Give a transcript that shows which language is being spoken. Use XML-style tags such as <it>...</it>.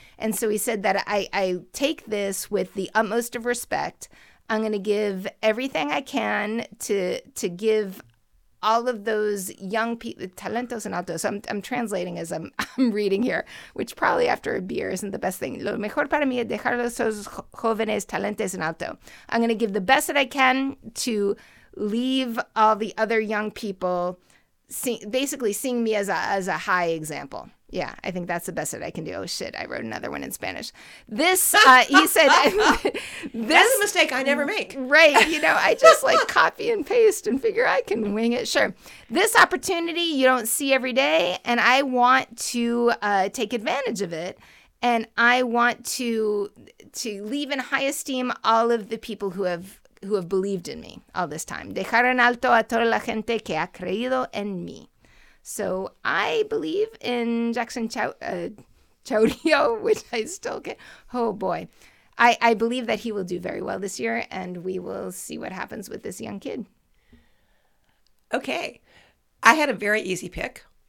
<en>And so he said that I take this with the utmost of respect. I'm going to give everything I can to give all of those young people,</en> <es>talentos en alto.</es> <en>So I'm translating as I'm reading here, which probably after a beer isn't the best thing.</en> <es>Lo mejor para mí es dejar los jóvenes talentos en alto.</es> <en>I'm going to give the best that I can to leave all the other young people basically seeing me as a high example. Yeah, I think that's the best that I can do. Oh, shit, I wrote another one in Spanish. This, he said... this, that's a mistake I never make. Right, you know, I just like copy and paste and figure I can wing it. Sure. This opportunity you don't see every day, and I want to take advantage of it, and I want to leave in high esteem all of the people who have believed in me all this time.</en> <es>Dejar en alto a toda la gente que ha creído en mí.</es> <en>So I believe in Jackson Chaudio, which I still get. Oh, boy. I believe that he will do very well this year, and we will see what happens with this young kid. Okay. I had a very easy pick.</en>